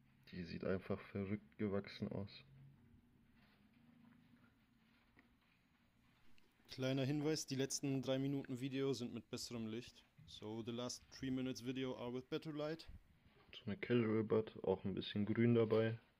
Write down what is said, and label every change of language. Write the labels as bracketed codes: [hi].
[de] Die sieht einfach verrückt gewachsen aus. Kleiner Hinweis, die letzten 3 Minuten Video sind mit besserem Licht. [en] So, the last 3 minutes video are with better light. [de] Eine Casual Bud, auch ein bisschen grün dabei.